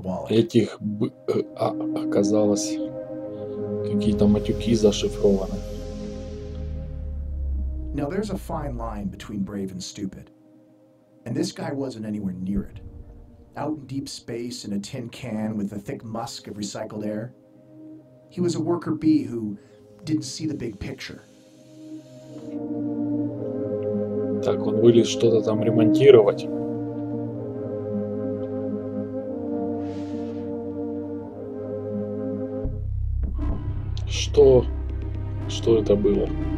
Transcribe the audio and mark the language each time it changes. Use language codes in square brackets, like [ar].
[ru] Этих оказалось какие-то матюки зашифрованы. [en] Now there's a fine line between brave and stupid. And this guy wasn't anywhere near it. Out in deep space in a tin can with a thick musk of recycled air. He was a worker bee who didn't see the big picture. [ru] Так, он вылез что-то там ремонтировать. Что? Что это было?